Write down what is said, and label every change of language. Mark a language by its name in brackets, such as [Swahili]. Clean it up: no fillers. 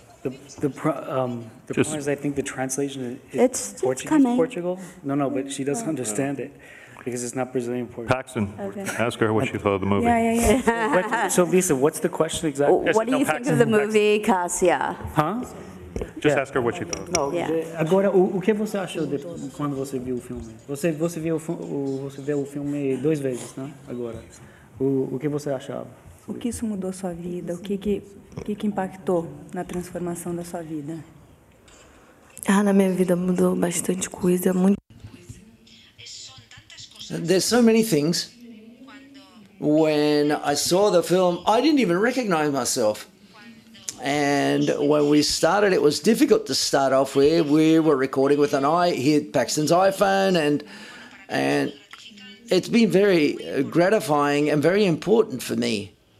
[English] The point is, I think the translation is Portuguese, Portugal. No, but she doesn't understand it because it's not Brazilian Portuguese. Paxton, okay. Ask her what she thought of the movie. Yeah. So, Lisa, what's the question exactly? What do you think of the movie, Cássia? Huh? Just ask her what she thought. No. Yeah. [Portuguese] Agora, o que você achou de quando você viu o filme? Você viu o filme duas vezes, né? Agora, o que você achava? O que isso mudou sua vida? O que impactou na transformação da sua vida? Ah, na minha vida mudou bastante coisa. Muito. [English] There's so many things. When I saw the film, I didn't even recognize myself. And when we started, it was difficult to start off with. We were recording with Paxton's iPhone, and it's been very gratifying and very important for me.